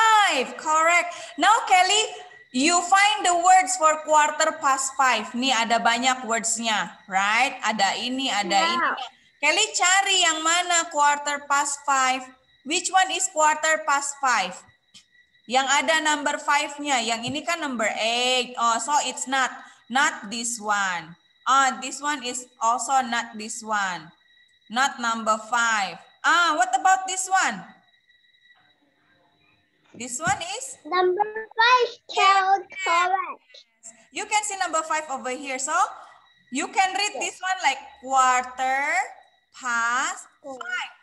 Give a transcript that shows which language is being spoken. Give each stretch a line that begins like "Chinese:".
English: 5, correct. Now, Kelly, you find the words for quarter past 5.
Indonesian: Nih, ada banyak
English: words-
Indonesian: nya,
English: right?
Indonesian: Ada ini, ada ini. Kelly, cari yang mana
English: quarter past 5. Which one is quarter past five?
Indonesian: Yang ada
English: number five-
Indonesian: nya, yang ini kan
English: number eight. Oh, so it's not this one. Ah, this one is also not this one. Not number five. Ah, what about this one? This one is? Number five, count correct. You can see number five over here. So you can read this one like quarter past five.